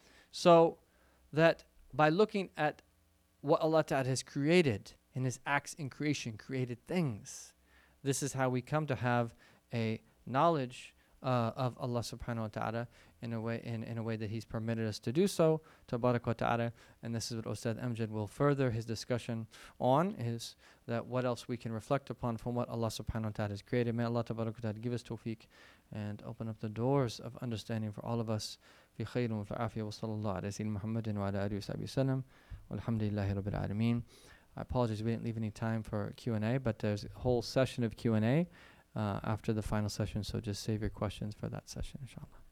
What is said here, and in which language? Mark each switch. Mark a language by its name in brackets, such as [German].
[English] So that by looking at what Allah Ta'ala has created in his acts in creation, created things, this is how we come to have a knowledge of Allah subhanahu wa ta'ala in a way that he's permitted us to do so, tabarak wa ta'ala. And this is what Ustadh Amjad will further his discussion on, is that what else we can reflect upon from what Allah subhanahu wa ta'ala has created. May Allah tabarak wa ta'ala give us tawfiq and open up the doors of understanding for all of us. [Arabic] في خير وفي عافية وصلى الله على سيدنا محمد وعلى آله وصحبه وسلم والحمد لله رب العالمين. [English] I apologize, we didn't leave any time for Q&A, but there's a whole session of Q&A after the final session, so just save your questions for that session, inshallah.